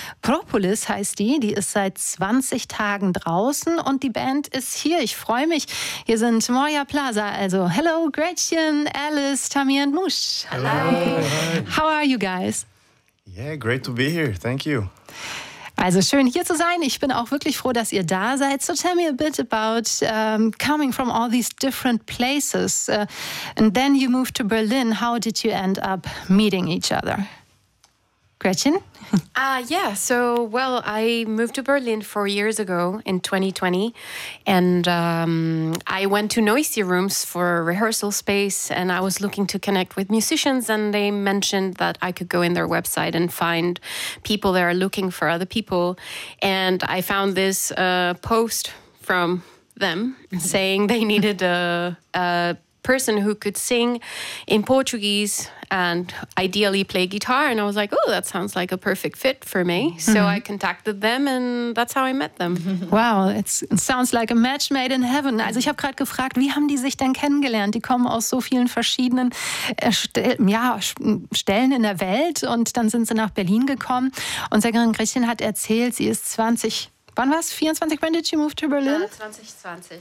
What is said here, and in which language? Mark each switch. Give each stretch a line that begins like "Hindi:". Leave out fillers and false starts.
German: Propolis heißt die, die ist seit 20 Tagen draußen und die Band ist hier. Ich freue mich, hier sind Moria Plaza, also hello Gretchen, Alice, Tammy and Mush.
English: Hello. How are you guys? Yeah, great to be here. Thank you.
German: Also schön hier zu sein. Ich bin auch wirklich froh, dass ihr da seid.
English: So tell me a bit about coming from all these different places. And then you moved to Berlin. How did you end up meeting each other? Gretchen? Yeah, so, well, I moved to Berlin 4 years ago in 2020, and I went to Noisy Rooms for rehearsal space, and I was looking to connect with musicians, and they mentioned that I could go in their website and find people that are looking for other people, and I found this post from them saying they needed a person who could sing in Portuguese and ideally play guitar. And I was like, oh, that sounds like a perfect fit for me. Mm-hmm. So I contacted them and that's how I met them. Wow, it sounds like a match made in heaven.
German: Also ich habe gerade gefragt, wie haben die sich denn kennengelernt? Die kommen aus so vielen verschiedenen Stellen in der Welt und dann sind sie nach Berlin gekommen. Und Sängerin Gretchen hat erzählt, sie ist 20. Wann war es? 24?
English: When did you move to Berlin? 2020.